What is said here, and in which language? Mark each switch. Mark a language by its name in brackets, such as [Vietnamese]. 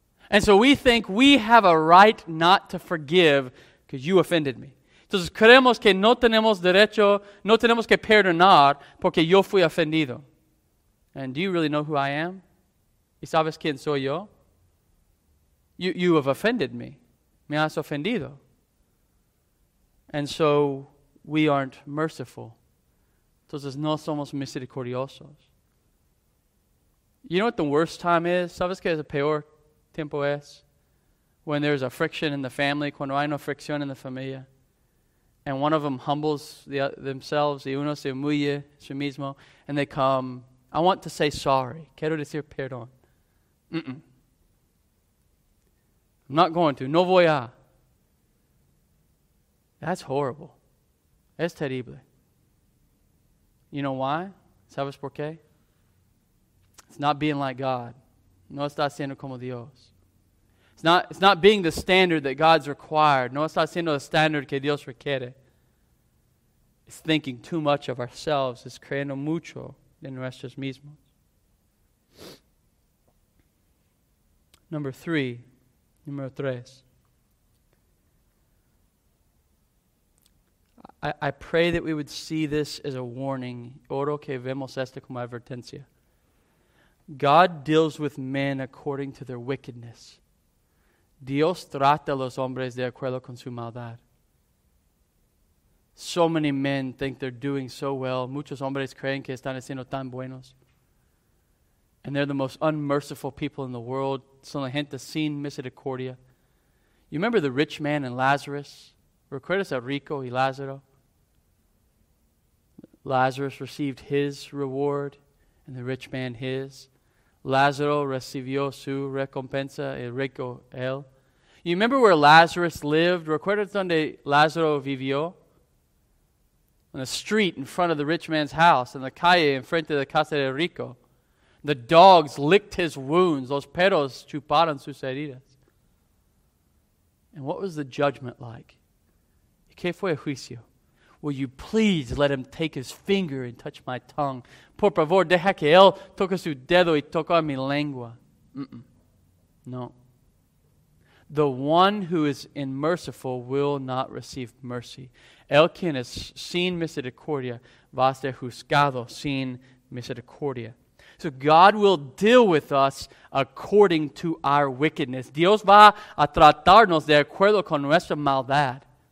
[English] And so we think we have a right not to forgive because you offended me. [Spanish] Entonces creemos que no tenemos derecho, no tenemos que perdonar porque yo fui ofendido. [English] And do you really know who I am? [Spanish] ¿Y sabes quién soy yo? [English] You have offended me. [Spanish] Me has ofendido. [English] And so we aren't merciful. [Spanish] Entonces no somos misericordiosos. [English] You know what the worst time is? [Spanish] ¿Sabes qué es el peor tiempo es? [English] When there's a friction in the family, [Spanish] cuando hay una fricción en la familia, [English] and one of them humbles themselves, [Spanish] y uno se humilla su mismo, [English] and they come, I want to say sorry. [Spanish] Quiero decir perdón. [English] Mm-mm. I'm not going to. [Spanish] No voy a. [English] That's horrible. [Spanish] Es terrible. [English] You know why? [Spanish] ¿Sabes por qué? [English] It's not being like God. [Spanish] No está siendo como Dios. [English] It's not being the standard that God's required. No está siendo el standard que Dios requiere. It's thinking too much of ourselves. It's [Spanish] creyendo mucho de nosotros mismos. Número tres. [English] I pray that we would see this as a warning. [Spanish] Oro que vemos esto como advertencia. [English] God deals with men according to their wickedness. [Spanish] Dios trata a los hombres de acuerdo con su maldad. [English] So many men think they're doing so well. [Spanish] Muchos hombres creen que están haciendo tan buenos. [English] And they're the most unmerciful people in the world. [Spanish] Son la gente sin misericordia. [English] You remember the rich man and Lazarus? [Spanish] ¿Recuerdas a Rico y Lázaro? [English] Lazarus received his reward, and the rich man his. [Spanish] Lázaro recibió su recompensa, y rico él. [English] You remember where Lazarus lived? [Spanish] ¿Recuerdas donde Lázaro vivió? [English] On the street in front of the rich man's house, [Spanish] en la calle en frente de la casa de rico. [English] The dogs licked his wounds. [Spanish] Los perros chuparon sus heridas. [English] And what was the judgment like? [Spanish] ¿Qué fue el juicio? [English] Will you please let him take his finger and touch my tongue? [Spanish] Por favor, deja que él toque su dedo y toque mi lengua. No. [English] The one who is unmerciful will not receive mercy. [Spanish] El quien es sin misericordia va a ser juzgado sin misericordia. [English] So God will deal with us according to our wickedness. [Spanish] Dios va a tratarnos de acuerdo con nuestra maldad.